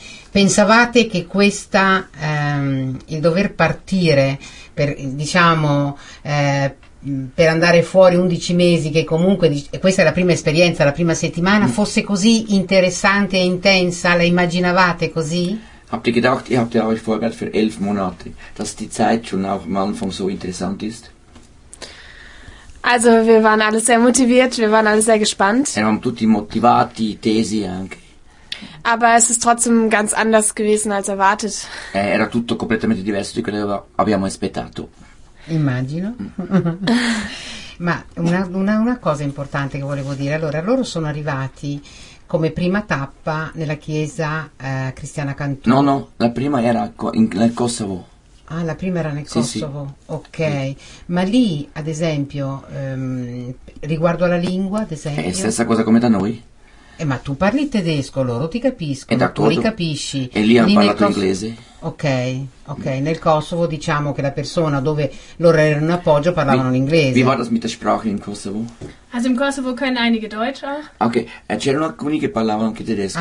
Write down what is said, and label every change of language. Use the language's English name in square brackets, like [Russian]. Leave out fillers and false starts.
[Italian] Pensavate che questa, il dover partire per, diciamo, per andare fuori 11 mesi, che comunque, e questa è la prima esperienza, la prima settimana, fosse così interessante e intensa? La immaginavate così? [German] Habt ihr gedacht, ihr habt ja euch vorbereitet für 11 Monate, dass die Zeit schon auch am Anfang so interessant ist? Also, wir waren alle sehr motiviert, wir waren alle sehr gespannt. [Italian] Eravamo tutti motivati, tesi anche. [German] Aber es ist trotzdem ganz anders gewesen als erwartet. [Italian] Era tutto completamente diverso di quello che abbiamo aspettato. Immagino. Ma una cosa importante che volevo dire, allora, loro sono arrivati come prima tappa nella chiesa cristiana Cantù. No, no, la prima era nel Kosovo. Ah, la prima era nel Kosovo, sì, sì. Ok. Sì. Ma lì, ad esempio, riguardo alla lingua, ad esempio... È stessa cosa come da noi. Ma tu parli tedesco, loro ti capiscono, tu li capisci. E lì hanno parlato inglese. Ok, ok. Nel Kosovo diciamo che la persona dove loro erano in appoggio parlavano l'inglese. [German] Wie war das mit der Sprache in Kosovo? Also im Kosovo können einige Deutsch auch. [Italian] Ok, c'erano alcuni che parlavano anche tedesco.